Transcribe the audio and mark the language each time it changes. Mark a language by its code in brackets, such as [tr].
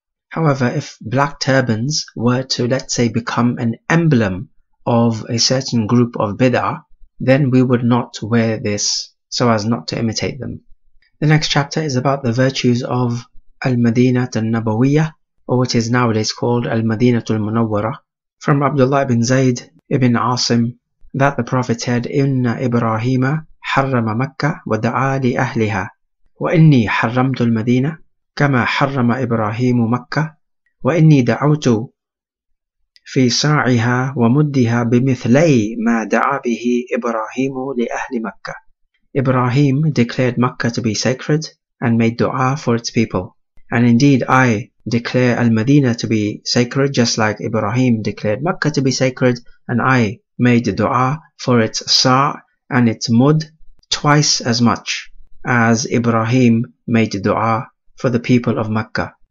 [en] However, if black turbans were to, let's say, become an emblem of a certain group of bid'ah, then we would not wear this so as not to imitate them. The next chapter is about the virtues of Al-Madinat al-Nabawiyyah, or what is nowadays called Al-Madinat al-Munawwara. From Abdullah ibn Zayd ibn Asim, that the Prophet said, [ar] إِنَّ إِبْرَاهِيمَ حَرَّمَ مَكَّةَ وَدَعَى لِأَهْلِهَا وَإِنِّي حَرَّمْتُ الْمَدِينَةَ كَمَا حَرَّمَ إِبْرَاهِيمُ مَكَّةَ وَإِنِّي دَعَوْتُ في صاعها ومدها بمثلي ما دعا به إبراهيم لأهل مكة. [en] Ibrahim declared Mecca to be sacred and made dua for its people. And indeed, I declare Al-Madina to be sacred just like Ibrahim declared Mecca to be sacred, and I made dua for its sa' and its mud twice as much as Ibrahim made dua for the people of Mecca.